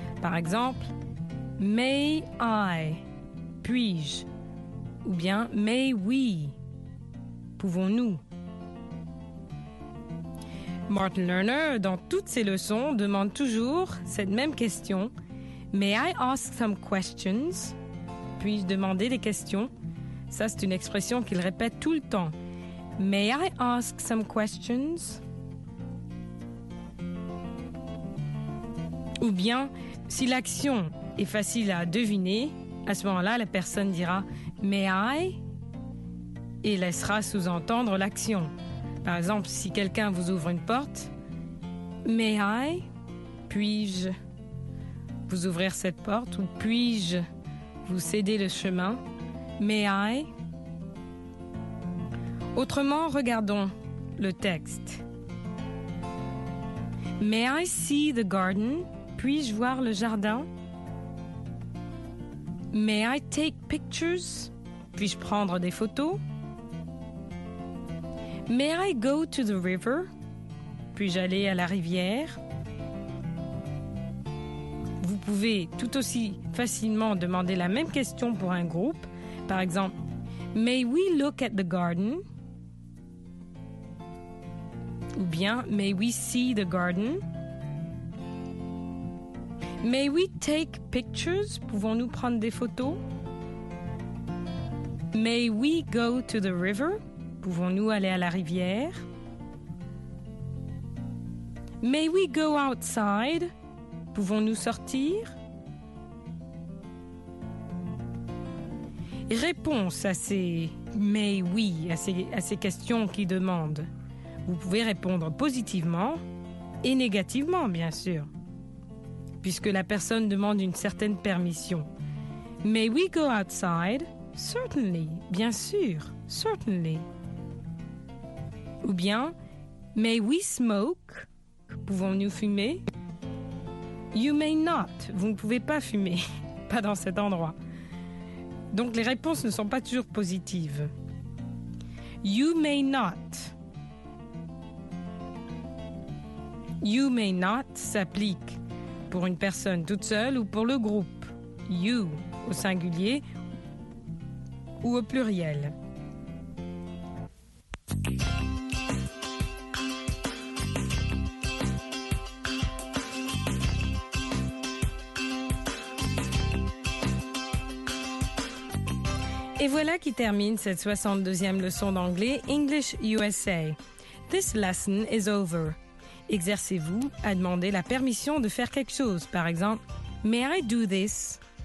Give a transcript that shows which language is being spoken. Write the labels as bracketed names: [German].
[French] Par exemple, « [English] may I [French] »« puis-je » ou bien « [English] may we [French] »« pouvons-nous » Martin Lerner, dans toutes ses leçons, demande toujours cette même question. [English] May I ask some questions? [French] Puis-je demander des questions? Ça, c'est une expression qu'il répète tout le temps. [English] May I ask some questions? [French] Ou bien, si l'action est facile à deviner, à ce moment-là, la personne dira [English] May I? [French] Et laissera sous-entendre l'action. Par exemple, si quelqu'un vous ouvre une porte, « [English] May I, [French] puis-je vous ouvrir cette porte ?» ou « Puis-je vous céder le chemin ?»« [English] May I ?» [French] Autrement, regardons le texte. [English] « May I see the garden ? [French] Puis-je voir le jardin ?»« [English] May I take pictures ? [French] Puis-je prendre des photos ?» [English] May I go to the river? [French] Puis-je aller à la rivière? Vous pouvez tout aussi facilement demander la même question pour un groupe. Par exemple, [English] May we look at the garden? Ou bien, May we see the garden? May we take pictures? [French] Pouvons-nous prendre des photos? [English] May we go to the river? [French] Pouvons-nous aller à la rivière? [English] May we go outside? [French] Pouvons-nous sortir? Réponse à ces may we, à ces questions qui demandent. Vous pouvez répondre positivement et négativement, bien sûr, puisque la personne demande une certaine permission. [English] May we go outside? Certainly, [French] bien sûr, [English] certainly. [French] Ou bien, [English] may we smoke? [French] Pouvons-nous fumer? [English] You may not. [French] Vous ne pouvez pas fumer. Pas dans cet endroit. Donc, les réponses ne sont pas toujours positives. [English] You may not. You may not [French] s'applique pour une personne toute seule ou pour le groupe. You, au singulier ou au pluriel. Et voilà qui termine cette 62e leçon d'anglais English USA. [English] This lesson is over. [French] Exercez-vous à demander la permission de faire quelque chose. Par exemple, [English] May I do this?